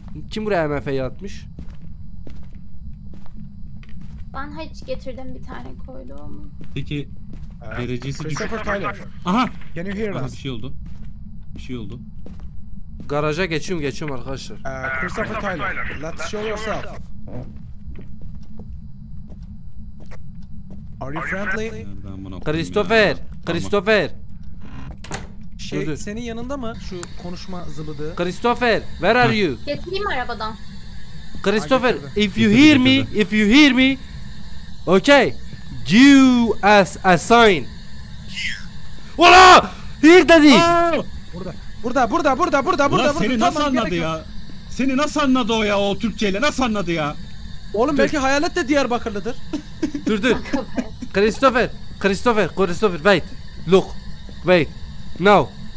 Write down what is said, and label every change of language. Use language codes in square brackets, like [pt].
[tr] Kim buraya MF'yi atmış? Ben hiç getirdim, bir tane koydum. Peki. Derecesi Christopher düşük. Tyler. Aha! [en] Can you hear us? [tr] Aha, bir şey oldu. Garaja geçiyorum arkadaşlar. [en] Christopher Tyler, let's show yourself. Are you friendly? Christopher, Christopher. [tr] Şey, dur. Senin yanında mı şu konuşma zılıdı? [en] Christopher, where are you? [tr] Getireyim arabadan. [en] Christopher, if you hear me, if you hear me, okay, give us a sign. [tr] Ola! Here dedi. Burada. Ulan seni nasıl anladı ya? Seni nasıl anladı o ya, o Türkçeyle nasıl anladı ya? Oğlum belki hayalet de Diyarbakırlıdır. [en] Dur. Christopher, wait. Look. Wait. Now.